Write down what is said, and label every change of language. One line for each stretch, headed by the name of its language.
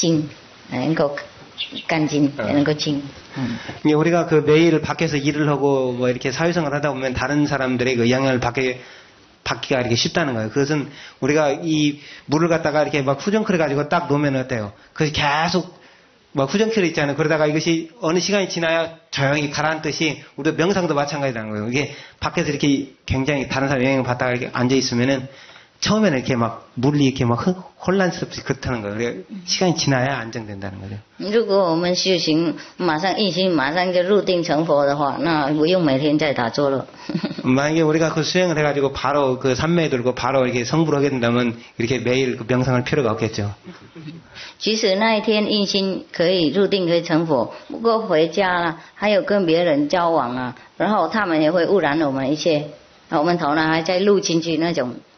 Chinese: 我们整天工作嘛，跟人沟通啊，跟人来往啊，这个难免会有那些影响啊。所以坐下来就跟一杯水被摇动一样，停很久，它才能够静，能够干净，能够静。
Korean: 우리가 그 매일 밖에서 일을 하고 뭐 이렇게 사회생활 하다 보면 다른 사람들의 그 영향을 받기가 이렇게 쉽다는 거예요. 그것은 우리가 이 물을 갖다가 이렇게 막 후정크를 가지고 딱 놓으면 어때요? 그것이 계속 막 후정크를 있잖아요. 그러다가 이것이 어느 시간이 지나야 조용히 가라앉듯이 우리 명상도 마찬가지라는 거예요. 이게 밖에서 이렇게 굉장히 다른 사람 영향을 받다가 이렇게 앉아 있으면은 처음에는 이렇게 막 물이 이렇게 막 혼란스럽게 그렇다는 거예요. 그러니까 시간이 지나야 안정된다는 거죠.
Chinese: 如果我们修行，马上一心，马上就入定成佛的话，那不用每天再打坐了。
Korean: 만약에 우리가 그 수행을 해가지고 바로 그 삼매에 들고 바로 이렇게 성불 하게 된다면 이렇게 매일 그 명상할 필요가 없겠죠.
Chinese: 即使那一天一心可以入定，可以成佛，不过回家了还有跟别人交往啊，然后他们也会污染我们一些，我们头脑还在入进去那种。